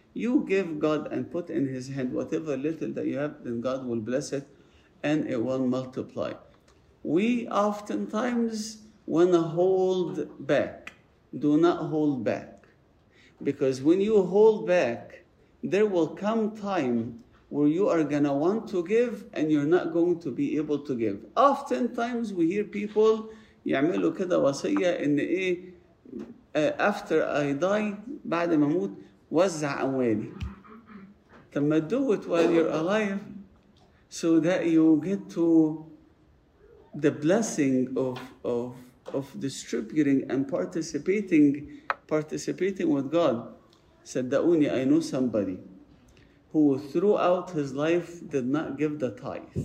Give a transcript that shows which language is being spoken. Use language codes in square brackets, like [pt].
[en] You give God and put in his hand whatever little that you have, then God will bless it and it will multiply. We oftentimes want to hold back. Do not hold back. Because when you hold back, there will come time where you are going to want to give and you're not going to be able to give. Oftentimes we hear people, [ar] يعملوا كده وصية إن إيه, [en] after I die, [ar] بعد ما أموت, وزع أموالي. تما [en] do it while you're alive so that you get to the blessing of distributing and participating with God. [ar] صدقوني, [en] I know somebody who throughout his life did not give the tithe.